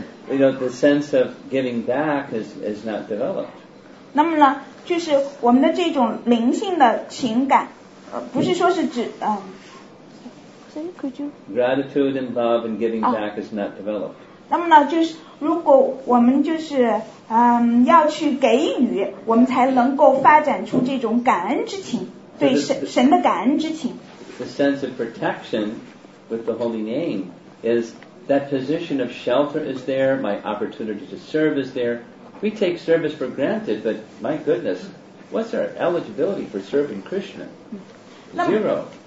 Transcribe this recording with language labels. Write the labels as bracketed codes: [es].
[en] You know, the sense of giving back is not developed. [zh] 那么呢，就是我们的这种灵性的情感，不是说是指 [en] Gratitude and love and giving back is not developed. [zh] 那么呢，就是如果我们就是要去给予，我们才能够发展出这种感恩之情。对神的感恩之情。 [en] The sense of protection with the holy name is that position of shelter is there, my opportunity to serve is there. We take service for granted, but my goodness, what's our eligibility for serving Krishna? Zero.